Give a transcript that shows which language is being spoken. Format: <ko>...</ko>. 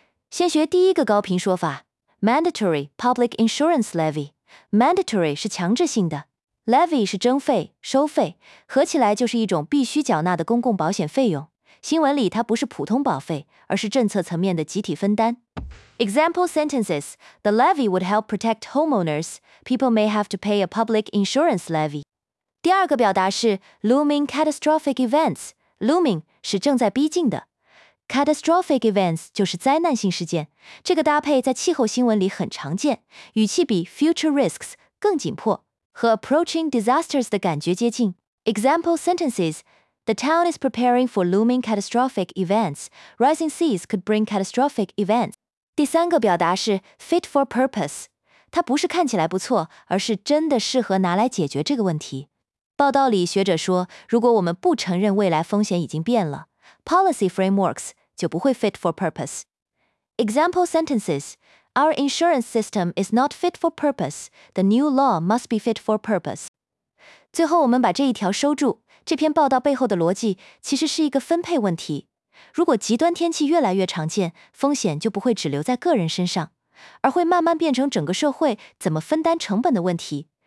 <zh>先学第一个高频说法， mandatory public insurance levy。 mandatory 是强制性的， levy 是征费收费，合起来就是一种必须缴纳的公共保险费用。新闻里它不是普通保费，而是政策层面的集体分担。</zh> <en>Example sentences: The levy would help protect homeowners. People may have to pay a public insurance levy.</en> <zh>第二个表达是 looming catastrophic events。looming 是正在逼近的， catastrophic events 就是灾难性事件。这个搭配在气候新闻里很常见，语气比 future risks 更紧迫，和 approaching disasters 的感觉接近。</zh> <en>Example sentencesThe town is preparing for looming catastrophic events. Rising seas could bring catastrophic events.</en> <zh>第三个表达是</zh> <en>fit for purpose.</en> <zh>它不是看起来不错，而是真的适合拿来解决这个问题。报道里学者说，如果我们不承认未来风险已经变了， policy frameworks 就不会 fit for purpose.</zh> <en>Example sentences: Our insurance system is not fit for purpose. The new law must be fit for purpose.</en> <zh>最后我们把这一条收住。这篇报道背后的逻辑其实是一个分配问题，如果极端天气越来越常见，风险就不会只留在个人身上，而会慢慢变成整个社会怎么分担成本的问题。</zh>